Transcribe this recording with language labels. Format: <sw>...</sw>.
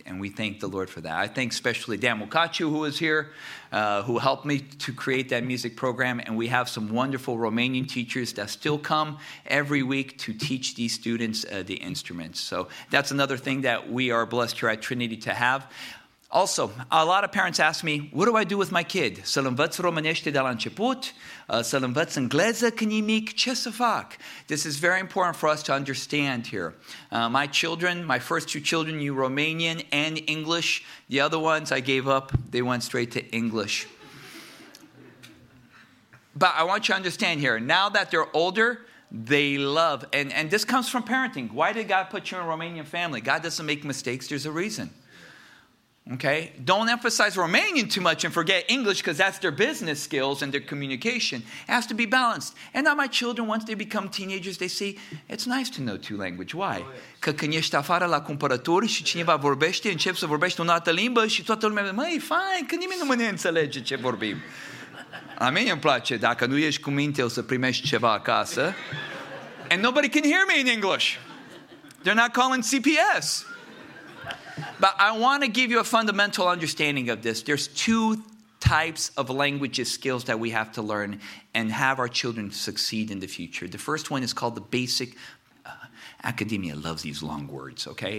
<en>And we thank the Lord for that. I thank especially Dan Mukachu, who is here, who helped me to create that music program. And we have some wonderful Romanian teachers that still come every week to teach these students the instruments. So that's another thing that we are blessed here at Trinity to have. Also, a lot of parents ask me, what do I do with my kid?</en> <ro>Să-l învăț românește de la început? Să-l învăț engleză?</ro> <en>Can you mic?</en> <ro>Ce să fac?</ro> <en>This is very important for us to understand here. My children, my first two children knew Romanian and English. The other ones I gave up, they went straight to English. But I want you to understand here, now that they're older, they love, and this comes from parenting. Why did God put you in a Romanian family? God doesn't make mistakes, there's a reason. Okay, don't emphasize Romanian too much and forget English because that's their business skills and their communication. It has to be balanced. And now my children, once they become teenagers, they see it's nice to know two languages. Why?</en> <ro>Că când ești afară la cumpărături și cineva vorbește, începi să vorbești o altă limbă și toată lumea zice, măi, fine, că nimeni nu ne înțelege ce vorbim. A mine îmi place, dacă nu ești cu minte, o să primești ceva acasă.</ro> <en>And nobody can hear me in English. They're not calling CPS. But I want to give you a fundamental understanding of this. There's two types of languages, skills that we have to learn and have our children succeed in the future. The first one is called the basic. Academia loves these long words, okay?</en>